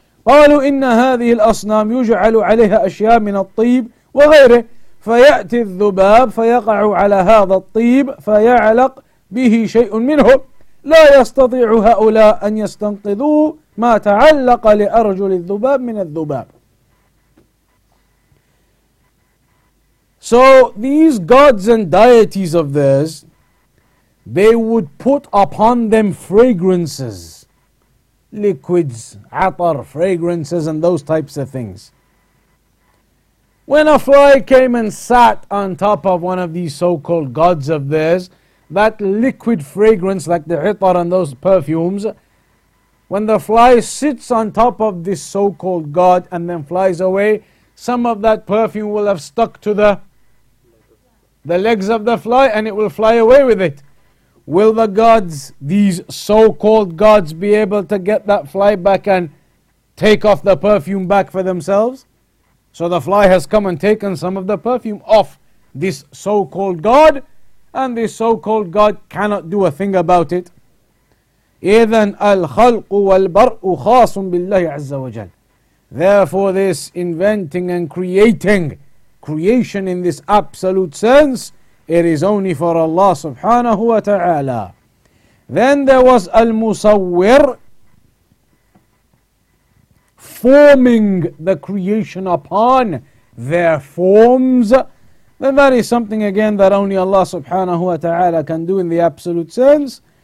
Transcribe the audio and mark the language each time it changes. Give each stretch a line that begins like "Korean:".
Arabic: قَالُوا إِنَّ هَذِهِ الْأَصْنَامِ يُجْعَلُ عَلَيْهَا أَشْيَاء مِنَ الطِّيبِ وغيره فيأتي الذباب فيقع على هذا الطيب فيعلق به شيء منه لا يستطيع هؤلاء أن يستنقذوا ما تعلق لأرجل الذباب من الذباب.
English: So these gods and deities of theirs, they would put upon them fragrances, liquids, atar, fragrances and those types of things. When a fly came and sat on top of one of these so-called gods of theirs, that liquid fragrance like the itar and those perfumes, when the fly sits on top of this so-called god and then flies away, some of that perfume will have stuck to the legs of the fly and it will fly away with it. Will the gods, these so-called gods, be able to get that fly back and take off the perfume back for themselves? So the fly has come and taken some of the perfume off this so-called god, and this so-called god cannot do a thing about it.
Arabic: إذن الخلق والبرء خاص بالله عز وجل.
English: Therefore this inventing and creating, creation in this absolute sense, it is only for Allah subhanahu wa ta'ala. Then there was المصور, forming the creation upon their forms, then that is something again that only Allah subhanahu wa ta'ala can do in the absolute sense.